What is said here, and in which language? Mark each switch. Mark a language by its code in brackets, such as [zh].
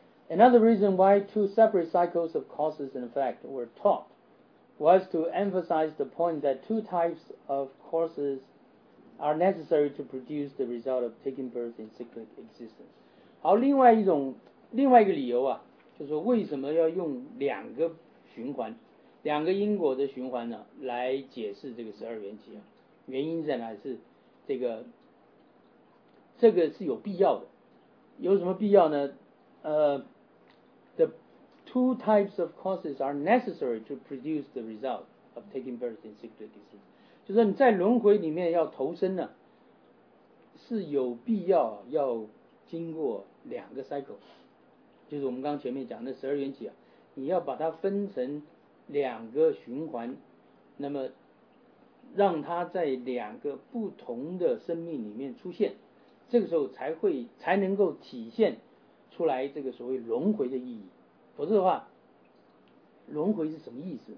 [en] Another reason why two separate cycles of causes and effect were taught was to emphasize the point that two types of causes are necessary to produce the result of taking birth in cyclic existence. [zh] 好，另外一种，另外一个理由啊，就是说为什么要用两个循环，两个因果的循环呢，来解释这个十二缘起啊？原因在哪？是这个是有必要的。有什么必要呢？ [en] The two types of causes are necessary to produce the result of taking birth in cyclic existence. [zh] 就是你在轮回里面要投生呢，是有必要要经过两个 cycle， 就是我们刚前面讲的十二缘起啊，你要把它分成两个循环，那么让它在两个不同的生命里面出现，这个时候才能够体现出来这个所谓轮回的意义，否则的话，轮回是什么意思？